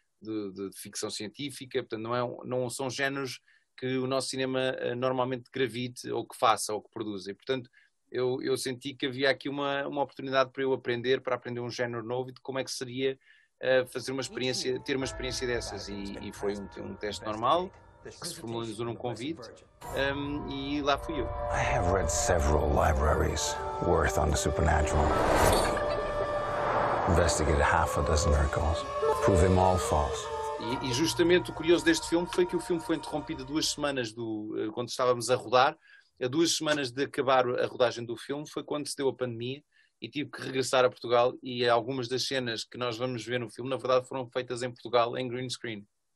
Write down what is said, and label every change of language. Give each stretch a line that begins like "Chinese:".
Portuguese: de ficção científica, portanto não são géneros que o nosso cinema normalmente gravite ou que faça ou que produza, e portanto eu senti que havia aqui uma oportunidade para eu aprender, para aprender um género novo e de como é que seria fazer uma experiência, ter uma experiência dessas, e foi um teste normal que se formalizou num convite, e lá fui eu.
English: I have read several libraries worth on the supernatural. Investigated half a dozen miracles. Prove them all false.
Portuguese: E justamente o curioso deste filme foi que o filme foi interrompido 2 semanas quando estávamos a rodar. A 2 semanas de acabar a rodagem do filme foi quando se deu a pandemia. E tive que regressar a Portugal, e algumas das cenas que nós vamos ver no filme, na verdade, foram feitas em Portugal, em green screen.